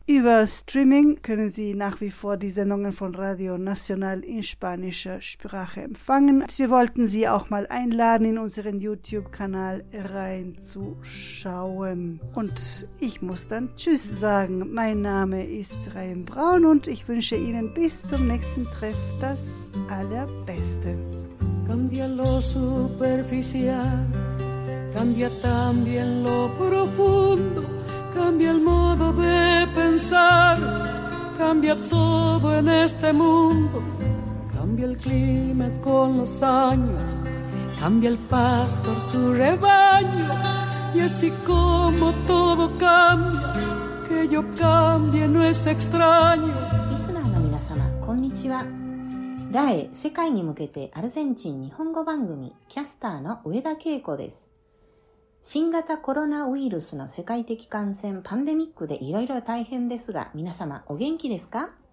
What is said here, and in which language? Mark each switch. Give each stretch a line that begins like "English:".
German: Über Streaming können Sie nach wie vor die Sendungen von Radio National in spanischer Sprache empfangen. Wir wollten Sie auch mal einladen, in unseren YouTube-Kanal reinzuschauen. Und ich muss dann Tschüss sagen. Mein Name ist Rein Braun und ich wünsche Ihnen bis zum nächsten Treff das Allerbeste.
Spanish: Cambia lo superficial, cambia también lo profundo, cambia el modo de pensar. Cambia todo en este mundo, cambia. cambia el clima con los años, cambia el pastor su rebaño, y así como todo cambia, que yo cambie no es extraño.
Japanese: リスナーの皆様、こんにちは。ラエ、世界に向けてアルゼンチン日本語番組キャスターの上田恵子です。新型コロナウイルスの世界的感染パンデミックでいろいろ大変ですが、皆様お元気ですか？